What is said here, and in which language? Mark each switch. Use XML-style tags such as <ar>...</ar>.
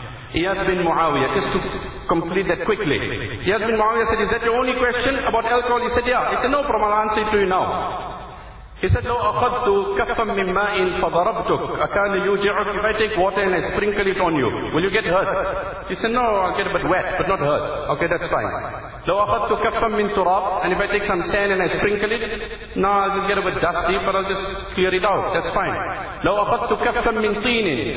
<en>Iyas bin Muawiyah, just to complete that quickly. Iyas bin Muawiyah said, is that your only question about alcohol? He said, yeah. He said, no problem, I'll answer it to you now. He said,</en> <ar>لو أخذت كفا من ماء فضربتك أكان يوجعك.</ar> <en>If I take water and I sprinkle it on you, will you get hurt? He said, no, I'll get a bit wet, but not hurt. Okay, that's fine.</en> <ar>لو أخذت كفا من تراب.</ar> <en>And if I take some sand and I sprinkle it, no, I'll just get a bit dusty, but I'll just clear it out. That's fine.</en> <ar>لو أخذت كفا من طين.</ar>